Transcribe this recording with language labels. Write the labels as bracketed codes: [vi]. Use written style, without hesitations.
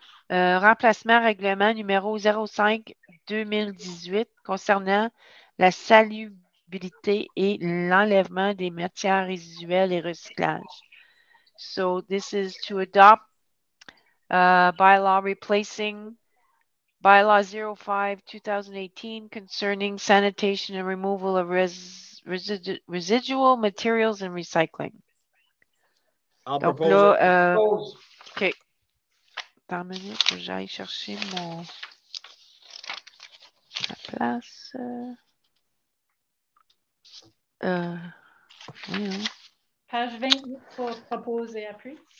[fr] Remplacement règlement numéro 05-2018 concernant la salubrité et l'enlèvement des matières résiduelles et recyclage. [en] So this is to adopt bylaw replacing bylaw 05-2018 concerning sanitation and removal of residual materials and recycling. I'll propose. [fr] Attends une minute, que j'aille chercher ma place. Page 20 pour proposer après.